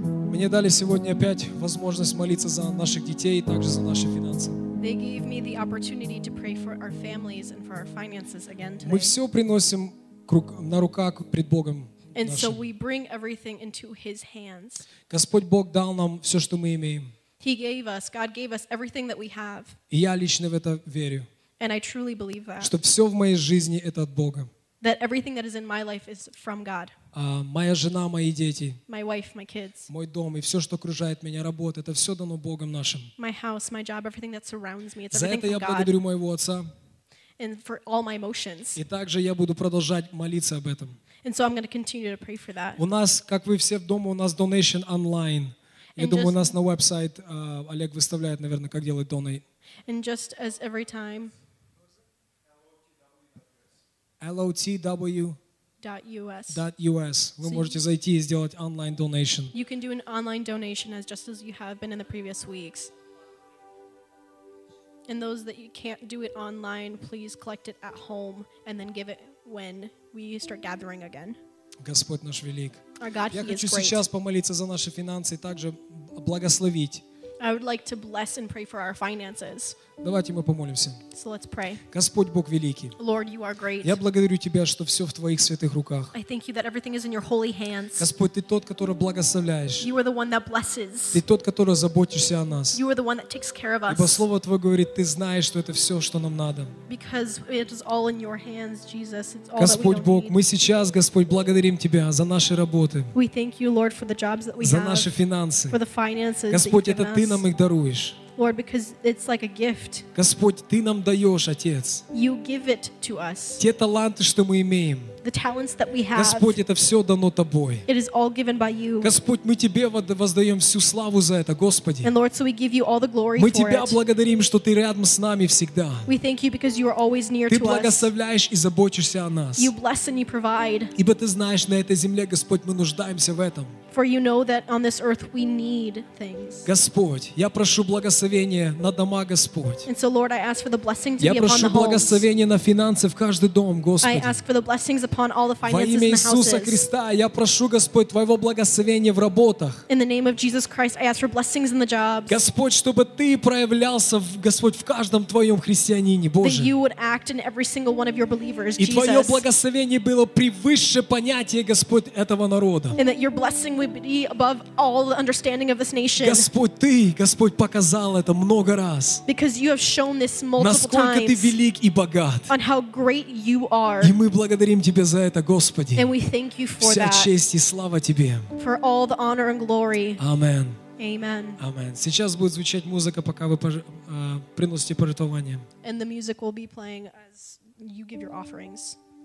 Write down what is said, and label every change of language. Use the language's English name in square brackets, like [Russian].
[Russian] Мне дали сегодня опять возможность молиться за наших детей и также за наши финансы. [English] They gave me the opportunity to pray for our families and for our finances again today. [Russian] Мы все приносим на руках пред Богом. [English] And so we bring everything into His hands. [Russian] Господь Бог дал нам все, что мы имеем. [English] He gave us, God gave us everything that we have. [Russian] И я лично в это верю. [English] And I truly believe that. [Russian] Что все в моей жизни это от Бога. [English] That everything that is in my life is from God. [Russian] Моя жена, мои дети. [English] My wife, my kids. [Russian] Мой дом и все, что окружает меня, работа, это все дано Богом нашим. [English] My house, my job, everything that surrounds me, it's everything from God. [Russian] За это я благодарю моего отца. [English] And for all my emotions. [Russian] И также я буду продолжать молиться об этом. [English] And so I'm going to continue to pray for that. [Russian] У нас, как вы все в дому, у нас [English] donation online. [Russian] Я думаю, у нас на веб-сайт Олег выставляет, наверное, как делать donate. [English] And just as every time. lotw.us. .us. [Russian] Вы можете зайти и сделать онлайн donation. [English] You can do an online donation as just as you have been in the previous weeks. And those that you can't do it online, please collect it at home and then give it when we start gathering again. [Russian] Господь наш велик. [English] Our God, [Russian] Я хочу сейчас помолиться за наши финансы и также благословить. [English] I would like to bless and pray for our finances. [Russian] Давайте мы помолимся. [English] So let's pray. [Russian] Господь Бог великий. [English] Lord, you are great. [Russian] Я благодарю Тебя, что все в Твоих святых руках. [English] I thank you that everything is in your holy hands. [Russian] Господь, Ты тот, который благословляешь. [English] You are the one that blesses. [Russian] Ты тот, который заботишься о нас. [English] You are the one that takes care of us. [Russian] Ибо Слово Твое говорит, Ты знаешь, что это все, что нам надо. [English] Because it is all in your hands, Jesus. It's all that we [Russian] Господь Бог, мы сейчас, Господь, благодарим Тебя за наши работы. [English] We thank you, Lord, for the jobs that we have. [Russian] За наши финансы. [English] For the finances. [Russian] Господь, это Ты нам их даруешь. [English] Lord, because it's like a gift. [Russian] Господь, Ты нам даешь, Отец. [English] You give it to us. [Russian] Те таланты, что мы имеем. [English] The talents that we have. [Russian] Господь, это все дано Тобой. [English] It is all given by you. [Russian] Господь, мы Тебе воздаем всю славу за это, Господи. [English] And Lord, so we give you all the glory [Russian] мы [English] for [Russian] Тебя [English] it. [Russian] Благодарим, что Ты рядом с нами всегда. [English] We thank you because you are always near [Russian] Ты [English] to [Russian] благословляешь [English] us. [Russian] И заботишься о нас. [English] You bless and you provide. [Russian] Ибо Ты знаешь, на этой земле, Господь, мы нуждаемся в этом. [English] For you know that on this earth we need things. [Russian] Господь, я прошу благословения на дома, Господь. [English] And so, Lord, I ask for the blessing to be upon the homes. [Russian] Я прошу благословения на финансы в каждый дом, Господи. [English] I ask for the blessings upon all the finances in the houses. [Russian] Во имя Иисуса Христа, я прошу, Господь, Твоего благословения в работах. [English] In the name of Jesus Christ, I ask for blessings in the jobs. [Russian] Господь, чтобы Ты проявлялся, Господь, в каждом Твоем христианине, Боже. [English] That you would act in every single one of your believers, Jesus. [Russian] И Твое благословение было превыше понятия, Господь, этого народа. [English] And that your blessing would be above all the understanding of this nation. [Russian] Господь, Ты, Господь, показал это много раз. [English] Because you have shown this multiple times. [Russian] Насколько Ты велик и богат. [English] On how great you are. [Russian] И мы благодарим Тебя за это, Господи. [English] And we thank you for [Russian] Вся [English] that. [Russian] Вся честь и слава Тебе. [English] For all the honor and glory. Amen. Amen. Amen. [Russian] Сейчас будет звучать музыка, пока вы приносите пожертвования. [English] And the music will be playing as you give your offerings.